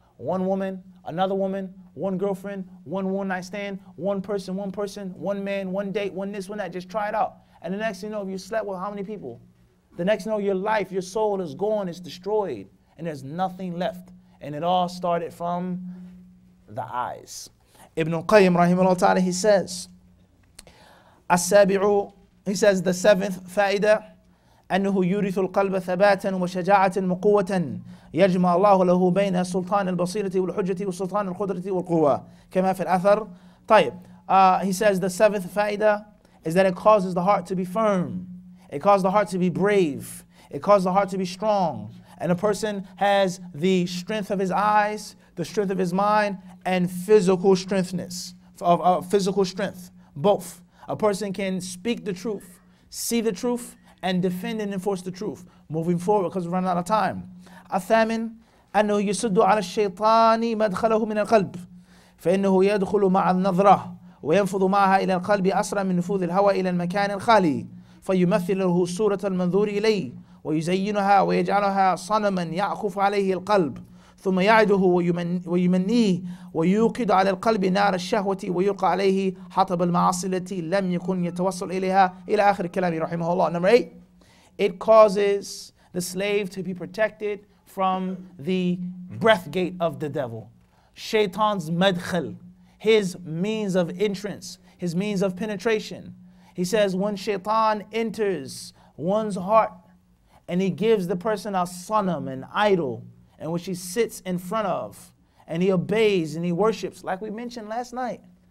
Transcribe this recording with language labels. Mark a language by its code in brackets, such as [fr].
[en] One woman, another woman, one girlfriend, one-night stand, one person, one man, one date, one this, one that, just try it out. And the next thing you know, you slept with how many people? The next thing you know, your life, your soul is gone, it's destroyed. And there's nothing left. And it all started from the eyes. [ar] Ibn Qayyim, rahimahullah ta'ala, he says, As-sabi'u, [en] he says, the seventh fa'idah, [ar] أَنُّهُ يُرِثُ الْقَلْبَ ثَبَاتًا وَشَجَاعَةً مُقُوَّةً يَجْمَعَ اللَّهُ لَهُ بَيْنَ سُلْطَانِ الْبَصِيرَةِ وَالْحُجَّةِ وَسُلْطَانِ الْقُدْرَةِ وَالْقُوَّةِ كَمَا فِي الْأَثَرِ. [en] طيب, he says, the seventh fa'idah is that it causes the heart to be firm. It causes the heart to be brave. It causes the heart to be strong. And a person has the strength of his eyes, the strength of his mind, and physical strengthness, physical strength, both. A person can speak the truth, see the truth, and defend and enforce the truth. Moving forward, because we're running out of time. [ar] الثامن, أنه يسد على الشيطان مدخله من القلب, فإنه يدخل مع النظرة وينفذ معها إلى القلب أسرع من نفوذ الهوى إلى المكان الخالي, فيمثل له صورة المنظور إليه. ويزينها ويجعلها صنما يعقف عليه القلب ثم يعده ويمنيه ويوقد على القلب نار الشهوة ويلقى عليه حطب المعاصي التي لم يكن يتوصل إليها إلى آخر كلامي رحمه الله. [en] Number 8, it causes the slave to be protected from the breath gate of the devil. Shaitan's madkhal, his means of entrance, his means of penetration. He says when Shaitan enters one's heart, and he gives the person a sonam, an idol, in which he sits in front of, and he obeys and he worships, like we mentioned last night.